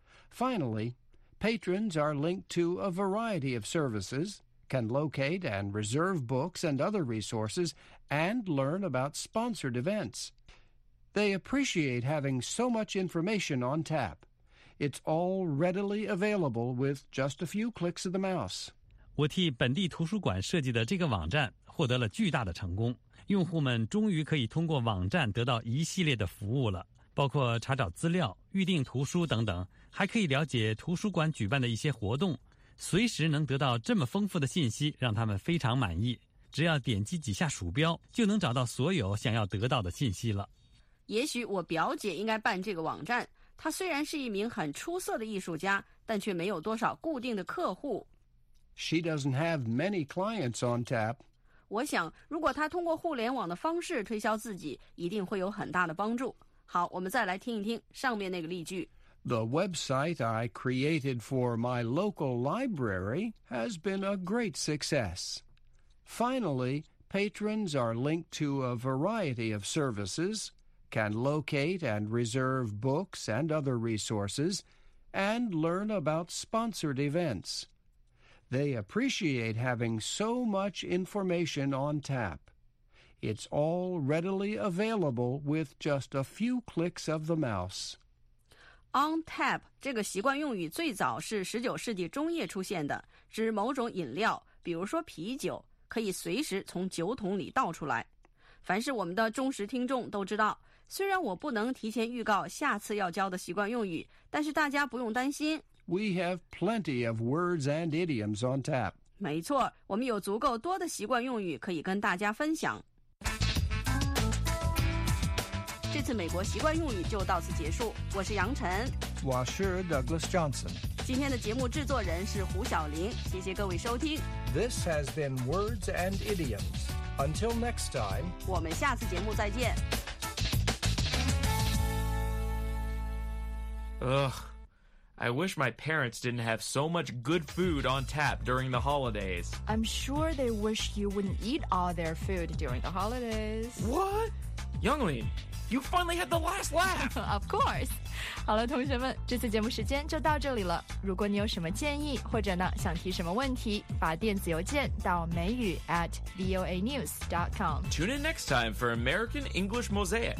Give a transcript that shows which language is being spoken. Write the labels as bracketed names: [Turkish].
[English] Finally, patrons are linked to a variety of services, can locate and reserve books and other resources, and learn about sponsored events. They appreciate having so much information on tap. It's all readily available with just a few clicks of the mouse. [Chinese] 我替本地图书馆设计的这个网站获得了巨大的成功。用户们终于可以通过网站得到一系列的服务了，包括查找资料、预订图书等等，还可以了解图书馆举办的一些活动，随时能得到这么丰富的信息，让他们非常满意。只要点击几下鼠标，就能找到所有想要得到的信息了。也许我表姐应该办这个网站，她虽然是一名很出色的艺术家，但却没有多少固定的客户。 [English] She doesn't have many clients on tap. [Chinese] 我想，如果她通过互联网的方式推销自己，一定会有很大的帮助。好，我们再来听一听上面那个例句。 [English] The website I created for my local library has been a great success. Finally, patrons are linked to a variety of services. Can locate and reserve books and other resources, and learn about sponsored events. They appreciate having so much information on tap. It's all readily available with just a few clicks of the mouse. [Chinese] On tap 这个习惯用语最早是19世纪中叶出现的，指某种饮料，比如说啤酒，可以随时从酒桶里倒出来。凡是我们的忠实听众都知道，虽然我不能提前预告下次要教的习惯用语，但是大家不用担心。 [English] We have plenty of words and idioms on tap. [Chinese] 没错，我们有足够多的习惯用语可以跟大家分享。这次美国习惯用语就到此结束。我是杨晨，我是 Douglas Johnson。今天的节目制作人是胡晓琳，谢谢各位收听。 [English] This has been Words and Idioms. Until next time. [Chinese] 我们下次节目再见。 [English] Ugh, I wish my parents didn't have so much good food on tap during the holidays. I'm sure they wish you wouldn't eat all their food during the holidays. What? Youngling, you finally had the last laugh! Of course! [Chinese] 好了，同学们，这次节目时间就到这里了。如果你有什么建议，或者呢，想提什么问题，发电子邮件到美语@voanews.com. [English] Tune in next time for American English Mosaic.